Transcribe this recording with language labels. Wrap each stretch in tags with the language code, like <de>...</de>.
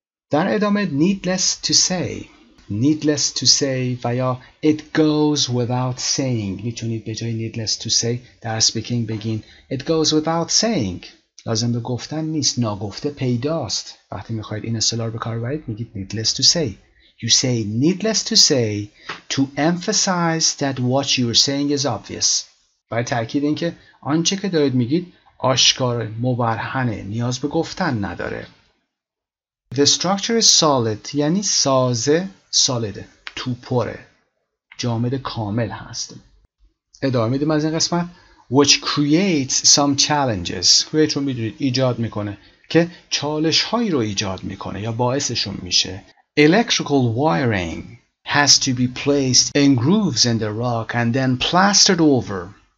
<fa>در ادامه</fa> <en>needless to say،</en> <fa>needless to say و یا</fa> <en>it goes without saying،</en> <fa>میتونید به جای needless to say در speaking بگین it goes without saying یا لازم به گفتن نیست، ناگفته پیداست. وقتی میخواید این اصطلاح رو به کار ببرید میگید needless to say.</fa> <en>You say needless to say to emphasize that what you are saying is obvious.</en> <fa>برای تأکید اینکه آنچه که دارید میگید آشکار مبرهنه، نیاز به گفتن نداره.</fa> <en>The structure is solid</en> <fa>یعنی سازه سالده، توپره، جامد کامل هست. ادامه میدیم از این قسمت.</fa> <en>Which creates some challenges.</en> <fa>Create رو میدونید ایجاد میکنه، که چالش هایی رو ایجاد میکنه یا باعثشون میشه.</fa> <en>Electrical wiring has to be placed in grooves in the rock and then plastered over.</en>